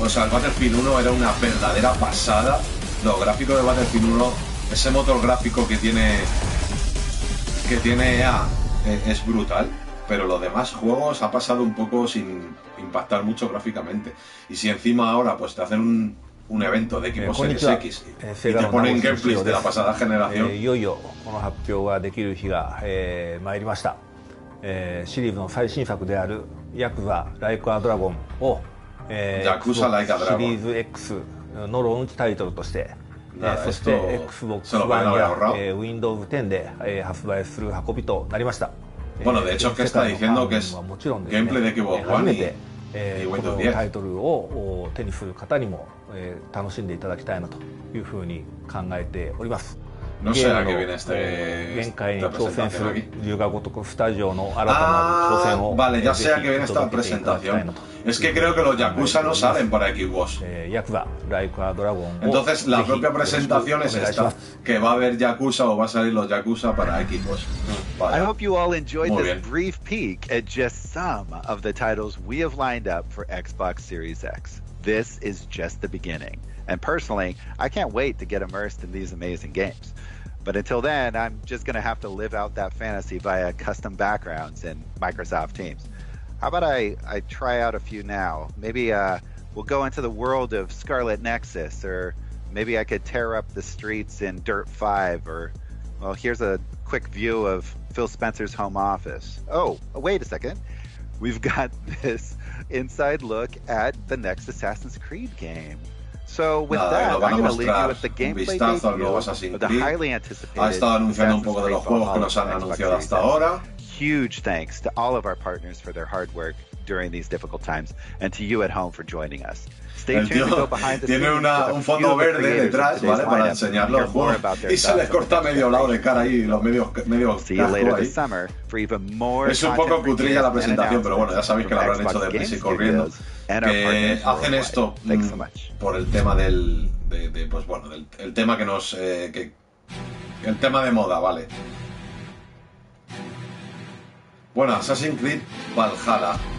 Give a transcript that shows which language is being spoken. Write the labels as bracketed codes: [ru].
[es] O sea, el Battlefield 1 era una verdadera pasada. Los gráficos de Battlefield 1, ese motor gráfico que tiene EA, es brutal. Pero los demás juegos ha pasado un poco sin impactar mucho gráficamente. Y si encima ahora pues te hacen un evento de Xbox Series X y te ponen gameplays de la pasada generación. [ja] Yo, この発表ができる日が参りました。シリーズの最新作であるヤクザライクアドラゴンをシリーズ X のローンチタイトルとして、そして Xbox One や Windows 10で発売する運びとなりました。 [es] Bueno, de hecho, que está diciendo que es gameplay de Xbox One y Windows 10. [ja] タイトルを手にする方にも楽しんでいただきたいなというふうに考えております。 [es] No sé a qué viene este. [ja] 限界に挑戦する龍が如くスタジオの新たな挑戦を。 [es] Vale, ya sé a qué viene esta presentación. Es que creo que los Yakuza no salen para Xbox. Yakuza, Like a Dragon. Entonces, la propia presentación es esta: que va a haber Yakuza o va a salir los Yakuza para Xbox. Vale. [en] I hope you all enjoyed this brief peek at just some of the titles we have lined up for Xbox Series X. This is just the beginning. And personally, I can't wait to get immersed in these amazing games. But until then, I'm just going to have to live out that fantasy via custom backgrounds in Microsoft Teams. How about I try out a few now? Maybe we'll go into the world of Scarlet Nexus, or maybe I could tear up the streets in Dirt 5, or, well, here's a quick view of Phil Spencer's home office. Oh, wait a second. We've got this inside look at the next Assassin's Creed game. So with that, I'm going to leave you with the gameplay video of the highly anticipated Assassin's Creed Valhalla. Huge thanks to all of our partners for their hard work during these difficult times, and to you at home for joining us. Stay tuned to go behind the scenes. [es] Tiene un fondo verde detrás, ¿vale? Para enseñar los juegos. Y se les corta medio lado de cara ahí, los medio casco ahí. [en] See you later this summer for even more. [es] Es un poco cutrilla la presentación, pero bueno, ya sabéis que la habrán hecho de prisa y corriendo. Que hacen esto por el tema del, pues bueno, del el tema que nos, que el tema de moda, ¿vale? Bueno, Assassin's Creed Valhalla.